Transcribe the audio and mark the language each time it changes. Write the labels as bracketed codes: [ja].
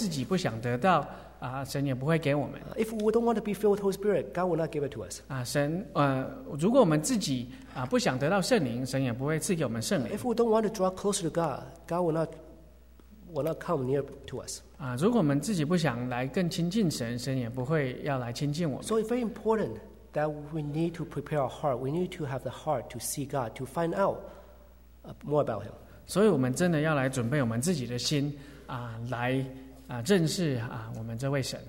[zh] 当然别人会帮我们祷告，但是我们如果自己不想得到，神也不会给我们。 [en] If we don't want to be filled with Holy Spirit, God will not give it to us. [zh] 神，如果我们自己不想得到圣灵，神也不会赐给我们圣灵。 [en] If we don't want to draw closer to God, God will not come near to us. [zh] 如果我们自己不想来更亲近神，神也不会要来亲近我们。 [en] So it's very important that we need to prepare our heart. We need to have the heart to see God, to find out more about Him. [zh] 所以我们真的要来准备我们自己的心，来认识我们这位神。